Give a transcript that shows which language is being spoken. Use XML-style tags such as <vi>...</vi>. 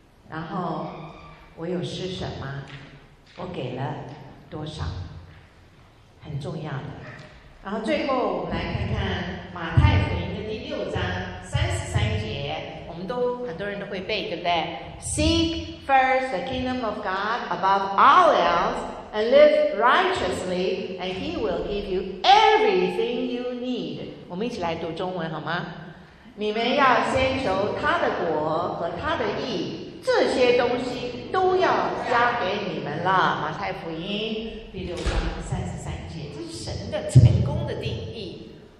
<zh>然后我有失什么，我给了多少，很重要的。然后最后我们来看看马太福音的6:33，我们都很多人都会背，对不对？</zh> <en>Seek first the kingdom of God above all else and live righteously, and he will give you everything you need.</en> <zh>我们一起来读中文好吗？你们要先求他的国和他的义，这些东西都要加给你们了。马太福音6:33，这是神的成功的定义。</zh>